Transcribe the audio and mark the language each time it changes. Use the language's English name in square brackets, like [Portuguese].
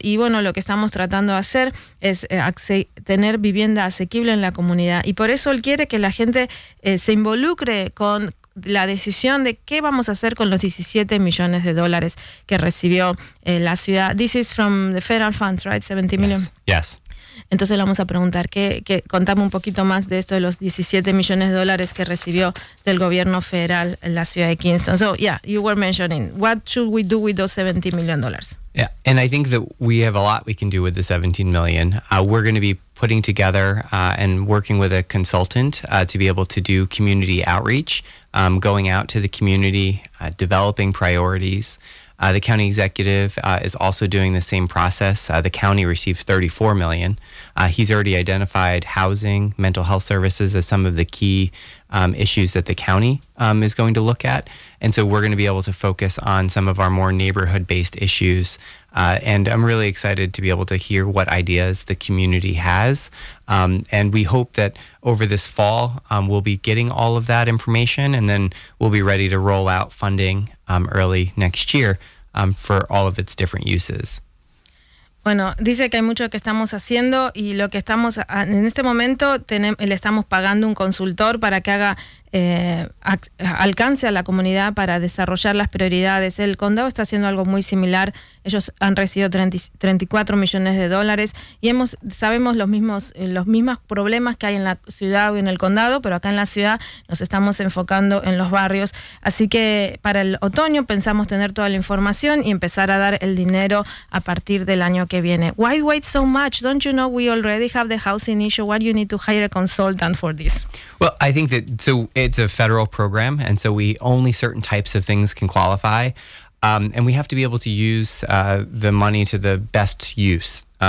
[Spanish] Y bueno, lo que estamos tratando de hacer es tener vivienda asequible en la comunidad, y por eso él quiere que la gente se involucre con la decisión de qué vamos a hacer con los $17 million que recibió la ciudad. [English] This is from the federal funds, right? $70 million. Yes. [Spanish] Entonces le vamos a preguntar, que contame un poquito más de esto de los $17 million que recibió del gobierno federal en la ciudad de Kingston. [English] So, yeah, you were mentioning, what should we do with those $17 million? Yeah, and I think that we have a lot we can do with the $17 million. We're going to be putting together and working with a consultant to be able to do community outreach, going out to the community, developing priorities. The county executive is also doing the same process. The county received $34 million. He's already identified housing, mental health services as some of the key issues that the county is going to look at. And so we're going to be able to focus on some of our more neighborhood-based issues. And I'm really excited to be able to hear what ideas the community has. And we hope that over this fall, we'll be getting all of that information, and then we'll be ready to roll out funding early next year for all of its different uses. [Spanish] Bueno, dice que hay mucho que estamos haciendo, y lo que estamos en este momento le estamos pagando un consultor para que haga alcance a la comunidad para desarrollar las prioridades. El condado está haciendo algo muy similar. Ellos han recibido $34 million, y sabemos los mismos problemas que hay en la ciudad o en el condado, pero acá en la ciudad nos estamos enfocando en los barrios. Así que para el otoño pensamos tener toda la información y empezar a dar el dinero a partir del año que viene. [English] Why wait so much? Don't you know we already have the housing issue? Why do you need to hire a consultant for this? Well, I think that it's a federal program, and so only certain types of things can qualify. And we have to be able to use the money to the best use.